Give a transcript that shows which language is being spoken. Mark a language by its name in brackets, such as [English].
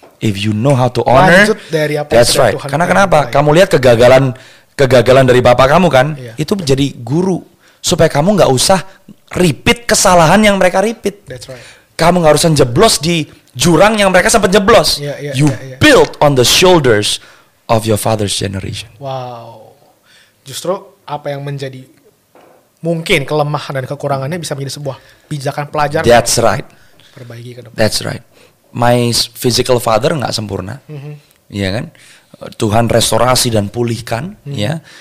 [English] If you know how to honor. [Indonesian] Lanjut dari apa [English] that's right. [Indonesian] Tuhan karena kenapa? Baik. Kamu lihat kegagalan dari bapak kamu kan? [English] Yeah. [Indonesian] Itu menjadi guru supaya kamu enggak usah repeat kesalahan yang mereka repeat. [English] That's right. [Indonesian] Kamu enggak usah jeblos di jurang yang mereka sempat jeblos. [English] You build on the shoulders of your father's generation. Wow. [Indonesian] Justru apa yang menjadi mungkin kelemahan dan kekurangannya bisa menjadi sebuah pijakan pelajaran. [English] That's right. [Indonesian] Perbaiki ke depan. [English] That's right. My physical father [Indonesian] enggak sempurna. Mm-hmm. Iya kan? Tuhan restorasi dan pulihkan, ya.